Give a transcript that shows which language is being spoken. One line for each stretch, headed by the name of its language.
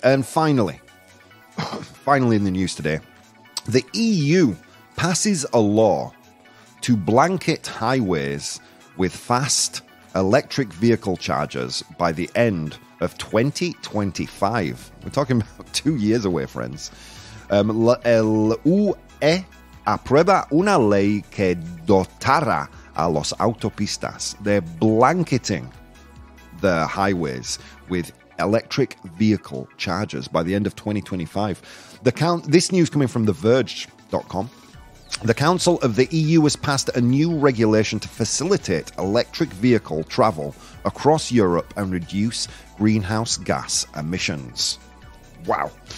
English: And finally in the news today, the EU passes a law to blanket highways with fast electric vehicle chargers by the end of 2025. We're talking about 2 years away, friends.
Spanish: El UE aprueba una ley que dotará a las autopistas.
English: They're blanketing the highways with electric vehicle chargers by the end of 2025. This news coming from TheVerge.com. The Council of the EU has passed a new regulation to facilitate electric vehicle travel across Europe and reduce greenhouse gas emissions. Wow.